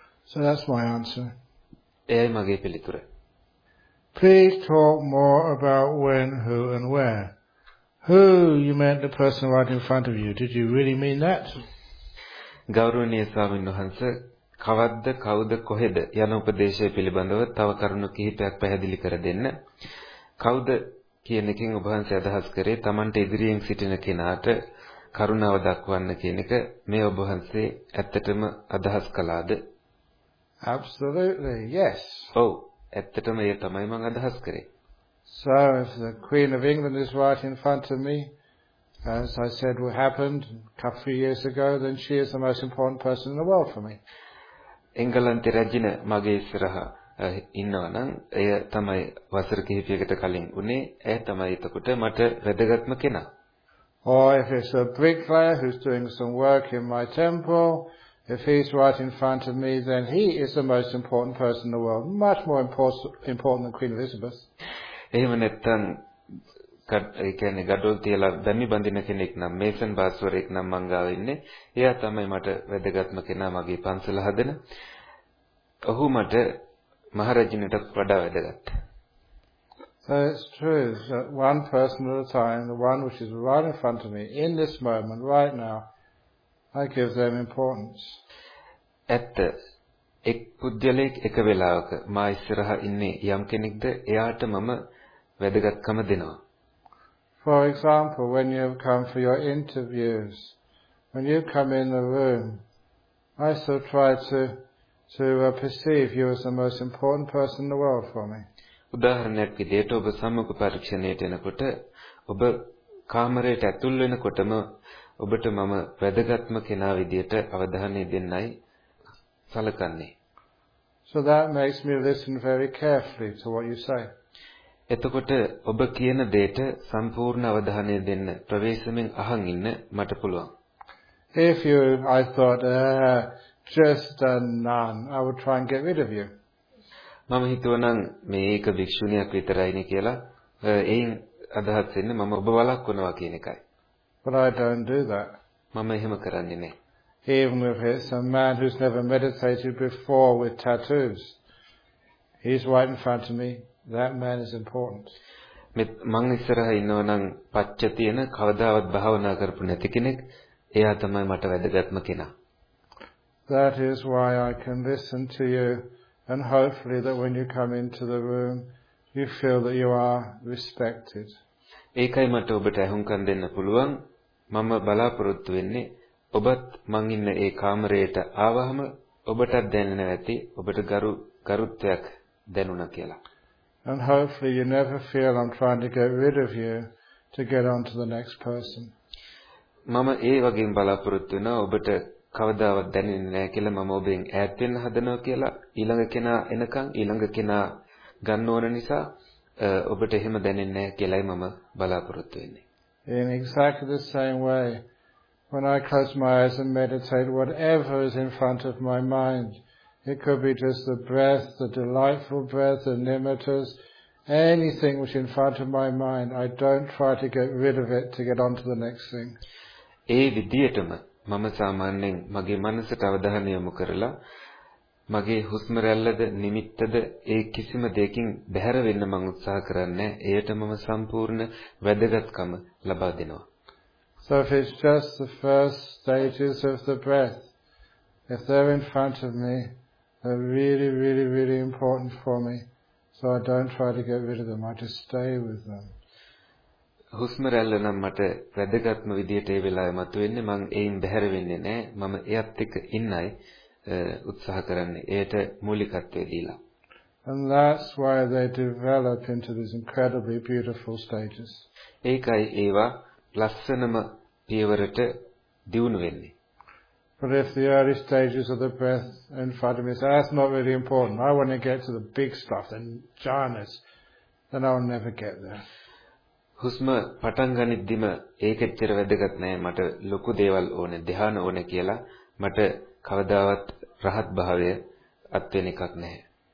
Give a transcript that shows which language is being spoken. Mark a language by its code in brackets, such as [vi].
[en] So that's my answer. [si] එයයි මගේ පිළිතුර. [en] Please talk more about when, who and where. Who you meant the person right in front of you? Did you really mean that? [si] ගෞරවනීය ස්වාමීන් වහන්සේ කවද්ද කවුද කොහෙද යන උපදේශය පිළිබඳව තව කරුණු කිහිපයක් පැහැදිලි කර දෙන්න. කවුද කියන එකෙන් ඔබ වහන්සේ අදහස් කරේ තමන්ට ඉදිරියෙන් සිටින කෙනාට කරුණාව දක්වන්න කියන එක. මේ ඔබ වහන්සේ ඇත්තටම අදහස් කළාද? [en] Absolutely, yes. [si] Oh, ඇත්තටම ඒ තමයි මම අදහස් කරේ. [en] So if the Queen of England is right in front of me, as I said what happened a couple of years ago, then she is the most important person in the world for me. [si] එංගලන්තේ රජින මගේ ඉස්සරහා ඉන්නවා නම් එය තමයි වසර කිහිපයකට කලින් උනේ. එය තමයි එතකොට මට වැදගත්ම කෙනා. [en] Or if it's a bricklayer who's doing some work in my temple, if he's right in front of me, then he is the most important person in the world, much more important than Queen Elizabeth. [si] එහෙම නැත්නම් ඒ කියන්නේ ගඩොල් තියලා දැමි බඳින කෙනෙක් නම් mason බාස්වරෙක් නම් මං ගාව ඉන්නේ. එයා තමයි මට වැදගත්ම කෙනා, මගේ පන්සල හදන. ඔහු මට මහරජිනට වඩා වැදගත්. [en] So it's true that one person at a time, the one which is right in front of me in this moment, right now, I give them importance. [si] ඇත්ත එක් පුද්ගලෙක් එක වෙලාවක මා ඉස්සරහා ඉන්නේ යම් කෙනෙක්ද, එයාට මම වැදගත්කම දෙනවා. [en] For example, when you have come for your interviews, when you come in the room, I still try to perceive you as the most important person in the world for me. [si] උදාහරණයක් විදිහට ඔබ සම්මුඛ පරීක්ෂණයට එනකොට ඔබ කාමරයට ඇතුල් වෙනකොටම ඔබට මම වැදගත්ම කෙනා විදිහට අවධානය දෙන්නයි සලකන්නේ. [en] So that makes me listen very carefully to what you say. [si] එතකොට ඔබ කියන දෙයට සම්පූර්ණ අවධානය දෙන්න ප්‍රවේශමෙන් අහන් ඉන්න මට පුළුවන්. [en] If you, I thought, just a nun, I would try and get rid of you. [si] මම හිතුවනම් මේ එක භික්ෂුණියක් විතරයිනේ කියලා, එයින් අදහස් වෙන්නේ මම ඔබ වළක්වනවා කියන එකයි. [en] But I don't do that. [si] මම එහෙම කරන්නේ නැහැ. [en] Even if it's a man who's never meditated before with tattoos, he's right in front of me. That man is important. [si] මෙත් මං ඉස්සරහා ඉන්නව නම් පච්ච තියෙන කවදාවත් භාවනා කරපු නැති කෙනෙක්, එයා තමයි මට වැදගත්ම කෙනා. [en] That is why I can listen to you, and hopefully that when you come into the room, you feel that you are respected. [si] ඒකයි මට ඔබට අහුම්කම් දෙන්න පුළුවන්. මම බලාපොරොත්තු වෙන්නේ ඔබත් මං ඉන්න ඒ කාමරයට ආවහම ඔබටත් දැනෙන ඇති ඔබට ගරුත්වයක් දැනුණා කියලා. [en] And hopefully you never feel I'm trying to get rid of you to get on to the next person. [si] මම ඒ වගේම බලාපොරොත්තු වෙනවා ඔබට කවදාවත් දැනෙන්නේ නැහැ කියලා, මම ඔබෙන් ඈත් වෙන්න හදනවා කියලා. ඊළඟ කෙනා එනකන් ඊළඟ කෙනා ගන්න ඕන නිසා ඔබට එහෙම දැනෙන්නේ නැහැ කියලායි මම බලාපොරොත්තු වෙන්නේ. [en] In exactly the same way, when I close my eyes and meditate, whatever is in front of my mind, it could be just the breath, the delightful breath, the nimittas, anything which is in front of my mind, I don't try to get rid of it to get on to the next thing. [si] ඒ විදිහටම මම සාමාන්‍යයෙන් මගේ මනසට අවධානය යොමු කරලා මගේ හුස්ම රැල්ලද නිමිත්තද ඒ කිසිම දෙයකින් බැහැර වෙන්න මම උත්සාහ කරන්නේ. එයට මම සම්පූර්ණ වැදගත්කම ලබා දෙනවා. [en] So if it's just the first stages of the breath, if they're in front of me, they're really, really, really important for me. So I don't try to get rid of them. I just stay with them. [si] හුස්ම රැල්ල නම් මට වැදගත්ම විදිහට ඒ වෙලාවේ මතුවෙන්නේ. මං එයින් බැහැර වෙන්නේ නැහැ. මම එයත් එක්ක ඉන්නයි උත්සාහ කරන්නේ. එයට මූලිකත්වය දීලා. [en] And that's why they develop into these incredibly beautiful stages. [si] ඒකයි ඒවා ලස්සනම පියවරට දියුණු වෙන්නේ. [en] But if the early stages of the breath in front of me say, that's not really important, I want to get to the big stuff, the jhanas, then I'll never get there. [si] හුස්ම පටන් ගනිද්දිම ඒක ඇත්තට වැදගත් නෑ, මට ලොකු දේවල් ඕනේ, ධ්‍යාන ඕනේ කියලා මට කවදාවත් රහත් භාවය අත් වෙන එකක් නැහැ.